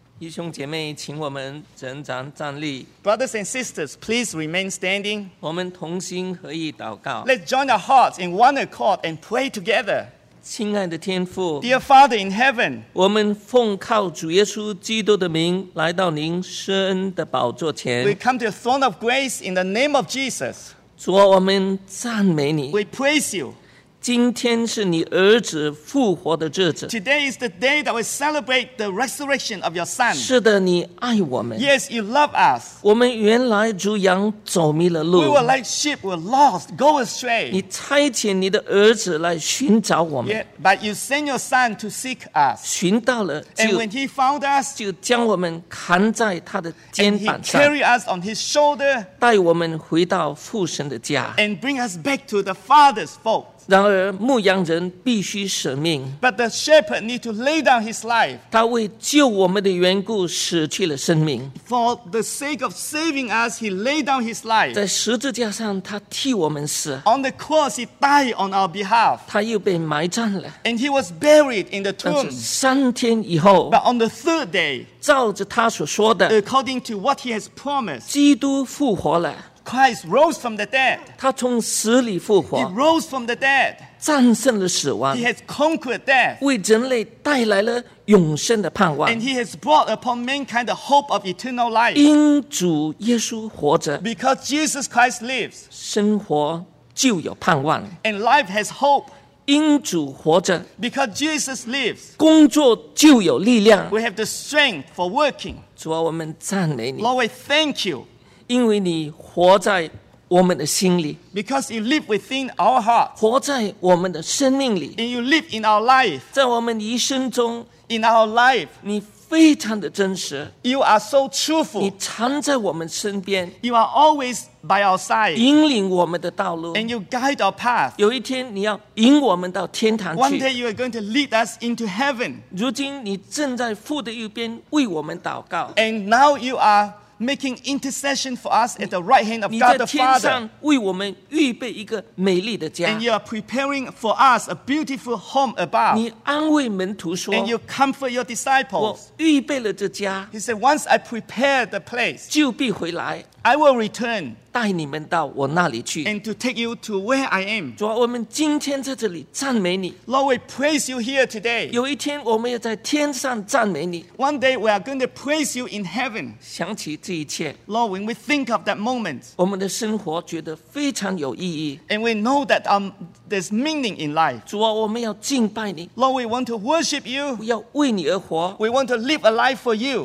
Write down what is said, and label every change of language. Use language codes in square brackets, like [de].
[zh] 兄姐妹，请我们仍然站立。 [en] Brothers and sisters, please remain standing. [zh] 我们同心合意祷告。 [en] Let's join our hearts in one accord and pray together. [zh] 亲爱的天父 [en] ，Dear Father in heaven, [zh] 我们奉靠主耶稣基督的名来到您施恩的宝座前。 [en] We come to the throne of grace in the name of Jesus. [zh] 主，我们赞美你。 [en] We praise you. [zh] 今天是你儿子复活的日子。 [en] Today is the day that we celebrate the resurrection of your son. [zh] 是的，你爱我们。 [en] Yes, you love us. [zh] 我们原来如羊走迷了路。 [en] We were like sheep, we were lost, go astray. [zh] 你差遣你的儿子来寻找我们。 [en] Yet, but you sent your son to seek us. [zh] 寻到了就。 [en] And when he found us, [zh] 就将我们扛在他的肩膀上。 [en] And he carried us on his shoulder. [zh] 带我们回到父神的家。 [en] And bring us back to the Father's fold. [zh] 然而牧羊人必须舍命。 [en] But the shepherd need to lay down his life. [zh] 他为救我们的缘故舍去了生命。 [en] For the sake of saving us, he laid down his life. [zh] 在十字架上他替我们死。 [en] On the cross, he died on our behalf. [zh] 他又被埋葬了。 [en] And he was buried in the tomb. [zh] 三天以后。 [en] But on the third day, [zh] 照着他所说的。 [en] According to what he has promised. [zh] 基督复活了。 [en] Christ rose from the dead. [zh] 他从死里复活。 [en] He rose from the dead. [zh] 战胜了死亡。 [en] He has conquered death. [zh] 为人类带来了永生的盼望。 [en] And he has brought upon mankind the hope of eternal life. [zh] 因主耶稣活着。 [en] Because Jesus Christ lives. [zh] 生活就有盼望。 [en] And life has hope. [zh] 因主活着 [en] Because Jesus lives [zh] 工作就有力量 [en] We have the strength for working [zh] 主啊我们赞美你 [en] Lord we thank you [zh] 因为你活在我们的心里 [en] Because you live within our hearts [zh] 活在我们的生命里 [en] And you live in our life [zh] 在我们一生中 [en] In our life [zh] 你非常的真实 [en] You are so truthful [zh] 你藏在我们身边 [en] You are always by our side [zh] 引领我们的道路 [en] And you guide our path [zh] 有一天你要引我们到天堂去 [en] One day you are going to lead us into heaven [zh] 如今你正在父的右边为我们祷告 [en] And now you are making intercession for us at the right hand of God the Father [zh] 你在天上为我们预备一个美丽的家 [en] And you are preparing for us a beautiful home above [zh] 你安慰门徒说 [en] And you comfort your disciples [zh] 我预备了这家 [en] He said once I prepare the place [zh] 就必回来 [en] I will return [zh] 带你们到我那里去 [en] And to take you to where I am [zh] 主啊我们今天在这里赞美你 [en] Lord we praise you here today [zh] 有一天我们要在天上赞美你 [en] One day we are going to praise you in heaven [zh] 想起这一切 [en] Lord when we think of that moment [zh] 我们的生活觉得非常有意义 [en] And we know that there's meaning in life [zh] 主啊我们要敬拜你 [en] Lord we want to worship you [zh] 要为你而活 [en] We want to live a life for you